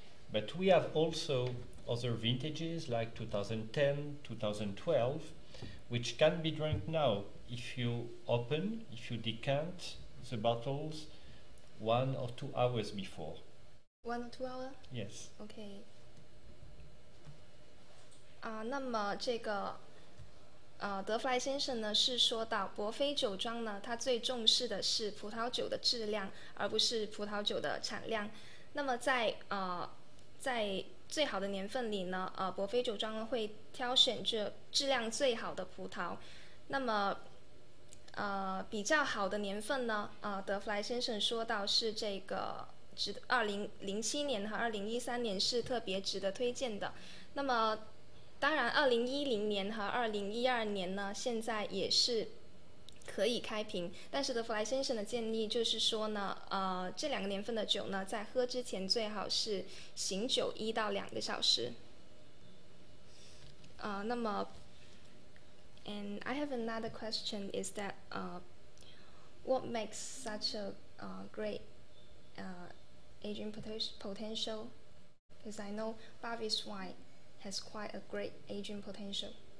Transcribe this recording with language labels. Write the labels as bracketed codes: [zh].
[en] But we have also other vintages like 2010, 2012, which can be drunk now if you decant the bottles 1 or 2 hours before. 1 or 2 hours? Yes. Okay. [zh] 那么这个德弗莱先生呢是说到伯菲酒庄呢他最重视的是葡萄酒的质量而不是葡萄酒的产量。那么在最好的年份里呢伯菲酒庄会挑选这质量最好的葡萄。那么比较好的年份呢德弗莱先生说到是这个2007年和2013年是特别值得推荐的。那么当然2010年和2012年呢现在也是可以开瓶，但是德弗莱先生的建议就是说呢这两个年份的酒呢在喝之前最好是醒酒1到2个小时。那么 [en] And I have another question, is that what makes such a great aging potential? Because I know Pavie's wine has quite a great aging potential.